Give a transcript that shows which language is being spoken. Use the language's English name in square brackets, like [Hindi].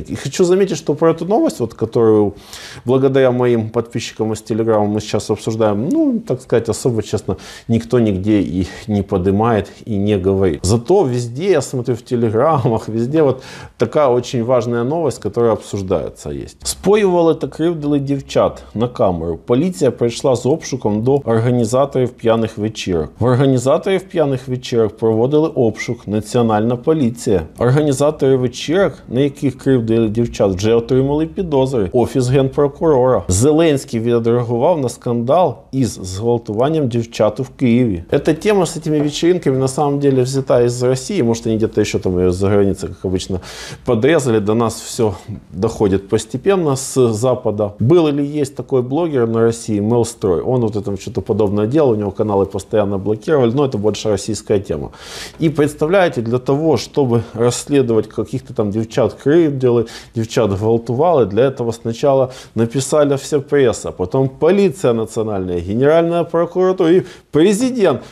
[Russian] И хочу заметить, что про эту новость, вот, которую благодаря моим подписчикам из Телеграма мы сейчас обсуждаем, ну, так сказать, особо, честно, никто нигде и не поднимает и не говорит. Зато везде, я смотрю в Телеграмах, везде вот такая очень важная новость, которая обсуждается есть. [Ukrainian] Споювали та кривдили дівчат на камеру. Поліція прийшла з обшуком до організаторів п'яних вечірок. В організаторів п'яних вечірок проводили обшук Національна поліція. Організатори вечірок, на яких кривдили дівчат, вже отримали підозри. Офіс генпрокурора. Зеленський відреагував на скандал із зґвалтуванням дівчат в Києві. Ця тема з цими вечеринками [Russian] на самом деле взята [Ukrainian] із Росії. Може, вони десь ще там за границю, як обычно, подрезали. До нас все доходить постепенно з Запада. Був ли є такий блогер на Росії Мелстрой? [Russian] Он вот это что-то подобное делал, у него каналы постоянно блокировали, но это больше российская тема. И представляете, для того, чтобы расследовать каких-то там [Ukrainian] девчат кривдили, девчат гвалтували, [Russian] для этого сначала написали все пресса, потом полиция национальная, генеральная прокуратура и президент.